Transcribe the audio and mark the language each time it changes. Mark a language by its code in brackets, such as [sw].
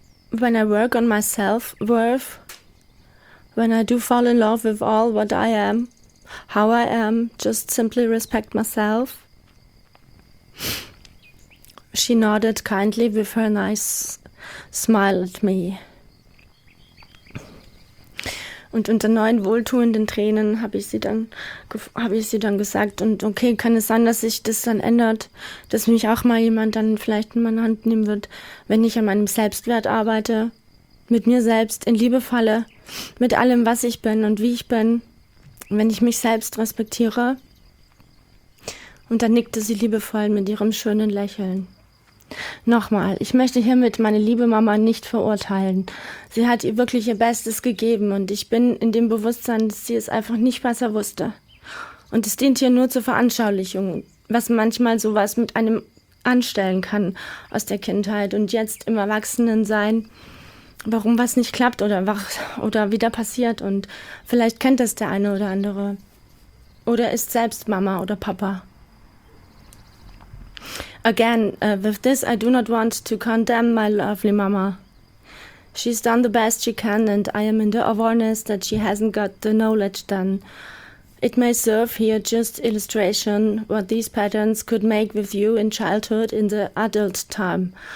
[en] when I work on my self-worth, when I do fall in love with all what I am, how I am, just simply respect myself. She nodded kindly with her nice smile at me. [de] Und unter neuen wohltuenden Tränen habe ich sie dann gesagt, und okay, kann es sein, dass sich das dann ändert, dass mich auch mal jemand dann vielleicht in meine Hand nehmen wird, wenn ich an meinem Selbstwert arbeite, mit mir selbst in Liebe falle, mit allem, was ich bin und wie ich bin, wenn ich mich selbst respektiere. Und dann nickte sie liebevoll mit ihrem schönen Lächeln. Nochmal, ich möchte hiermit meine liebe Mama nicht verurteilen. Sie hat ihr wirklich ihr Bestes gegeben und ich bin in dem Bewusstsein, dass sie es einfach nicht besser wusste. Und es dient hier nur zur Veranschaulichung, was manchmal sowas mit einem anstellen kann aus der Kindheit und jetzt im Erwachsenensein, warum was nicht klappt oder wieder passiert, und vielleicht kennt das der eine oder andere oder ist selbst Mama oder Papa. [en] Again, with this, I do not want to condemn my lovely mama. She's done the best she can, and I am in the awareness that she hasn't got the knowledge done. It may serve here just illustration what these patterns could make with you in childhood, in the adult time.